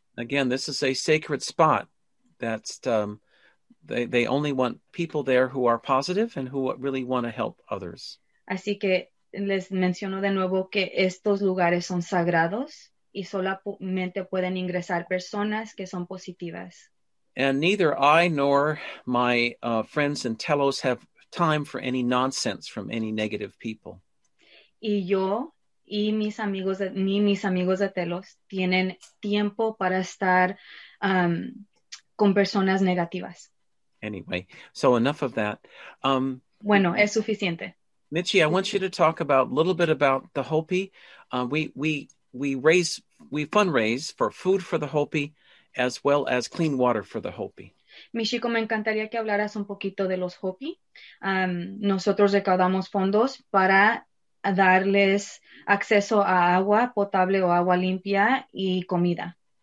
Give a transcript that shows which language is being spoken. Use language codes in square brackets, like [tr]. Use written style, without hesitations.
[en] Again, this is a sacred spot that's they only want people there who are positive and who really want to help others. [es] Así que les menciono de nuevo que estos lugares son sagrados y solamente pueden ingresar personas que son positivas. [en] And neither I nor my friends in Telos have time for any nonsense from any negative people. [es] Y yo y mis amigos de Telos tienen tiempo para estar con personas negativas. [en] Anyway, so enough of that. [es] Bueno, es suficiente. [en] Michi, I want you to talk a little bit about the Hopi. We fundraise for food for the Hopi, as well as clean water for the Hopi. [es] Michiko, me encantaría que hablaras un poquito de los Hopi. Nosotros recaudamos fondos para darles acceso a agua potable o agua limpia y comida.